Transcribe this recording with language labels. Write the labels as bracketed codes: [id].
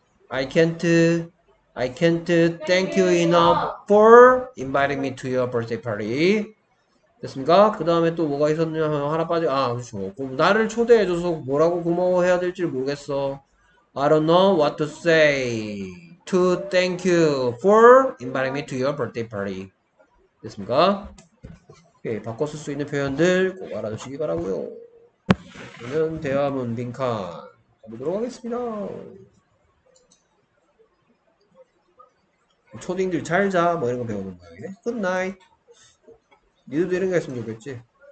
[en] I can't thank you enough for inviting me to your birthday party. [ko] 됐습니까? 그 다음에 또 뭐가 있었냐면 하나 빠져. 아, 그렇죠. 나를 초대해줘서 뭐라고 고마워해야 될지 모르겠어. [en] I don't know what to say. To thank you for inviting me to your birthday party. [ko] 됐습니까? 오케이, 바꿔 쓸수 있는 표현들 꼭 알아주시기 바라고요. 그러면 대화문 빈칸 가보도록 하겠습니다. 초딩들 잘 자, 뭐 이런 거 배우는 거예요. [en] Good night. [ko] 니들도 이런 거 했으면 좋겠지.